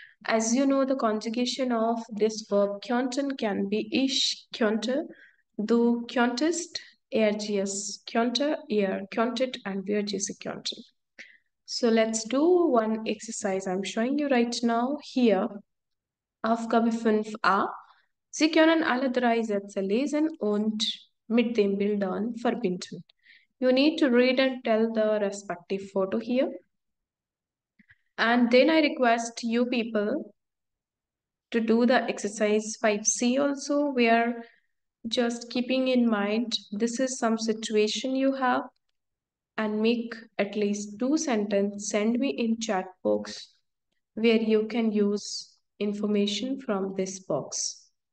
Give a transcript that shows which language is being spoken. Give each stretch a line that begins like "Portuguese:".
English: As you know, the conjugation of this verb könnten can be
German: ich könnte, du könntest, er, gs, könnte, er, könntet, and wir, gs, könnte.
English: So let's do one exercise I'm showing you right now. Here, Aufgabe 5a.
German: Sie können alle drei Sätze lesen und mit den Bildern verbinden.
English: You need to read and tell the respective photo here. And then I request you people to do the exercise 5c also, where just keeping in mind, this is some situation you have, and make at least two sentences, send me in chat box where you can use information from this box.